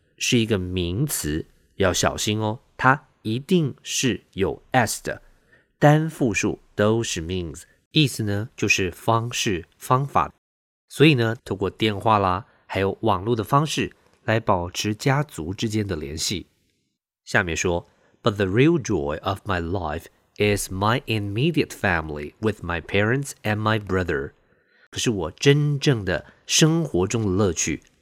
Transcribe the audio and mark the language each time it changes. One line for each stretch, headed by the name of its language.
Chinese: 是一个名词，要小心哦，它一定是有 s 的，单复数都是 means， 意思呢就是方式、方法。所以呢，透过电话啦，还有网络的方式来保持家族之间的联系。下面说
English: ，But the real joy of my life。 Is my immediate family with my parents and my brother.
Chinese: 可是我真正的生活中的乐趣